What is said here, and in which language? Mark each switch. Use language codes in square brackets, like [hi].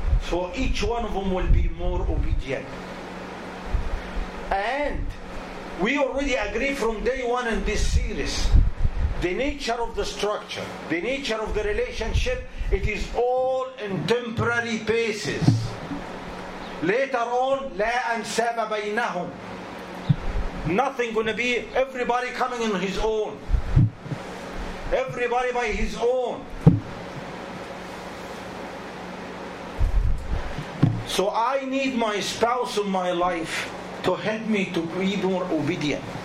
[en] So each one of them will be more obedient. And we already agree from day one in this series, the nature of the structure, the nature of the relationship, it is all in temporary basis. Later on, [ar] لا أنساب بينهم. [en] Nothing gonna be, everybody coming in his own. Everybody by his own. So I need my spouse in my life to help me to be more obedient.